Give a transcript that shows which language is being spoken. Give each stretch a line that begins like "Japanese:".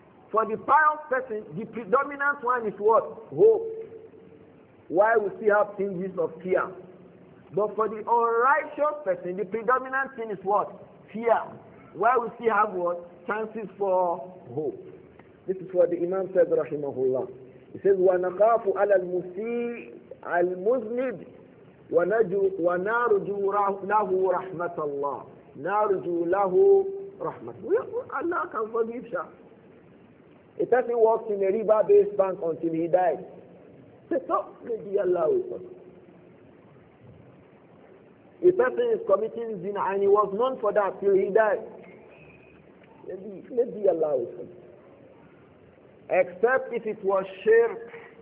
English: For the pious person, the predominant one is what? Hope. Why we still have tinges of fear. But for the unrighteous person, the predominant thing is what? Fear. Why we still have what? Chances for hope. This is what the Imam said, rahimahullah. He says,
Arabic: وَنَخَافُ عَلَى الْمُسِيءِ الْمُذْنِبِ وَنَرْجُو لَهُ رَحْمَةَ اللَّهِ نَرْجُو لَهُ
English: Allah can forgive him. A person walks in a river-based bank until he dies. Say, so maybe Allah will forgive. A person is committing zina and he was known for that till he died. Maybe Allah will forgive. Except if it was shirk.